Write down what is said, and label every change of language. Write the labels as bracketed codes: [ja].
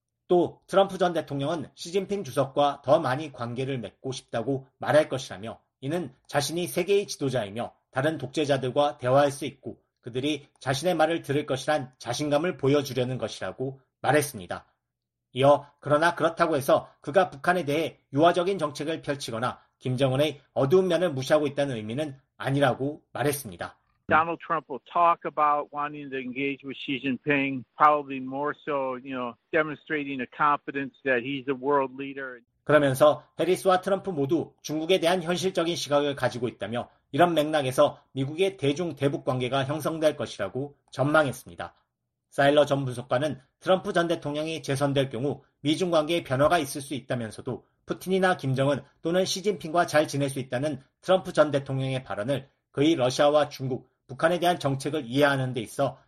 [ko] 또 트럼프 전 대통령은 시진핑 주석과 더 많이 관계를 맺고 싶다고 말할 것이라며 이는 자신이 세계의 지도자이며 다른 독재자들과 대화할 수 있고 그들이 자신의 말을 들을 것이란 자신감을 보여주려는 것이라고 말했습니다. 이어 그러나 그렇다고 해서 그가 북한에 대해 유화적인 정책을 펼치거나 김정은의 어두운 면을 무시하고 있다는 의미는 아니라고 말했습니다. [en] Donald Trump will talk about wanting to engage with Xi Jinping, probably more so, you know, demonstrating a confidence that he's a world leader. [ko] 그러면서 해리스와 트럼프 모두 중국에 대한 현실적인 시각을 가지고 있다며 이런 맥락에서 미국의 대중 대북 관계가 형성될 것이라고 전망했습니다. 사일러 전 분석관은 트럼프 전 대통령이 재선될 경우 미중 관계에 변화가 있을 수 있다면서도 푸틴이나 김정은 또는 시진핑과 잘 지낼 수 있다는 트럼프 전 대통령의 발언을 그의 러시아와 중국, 북한에 대한 정책을 이해하는 데 있어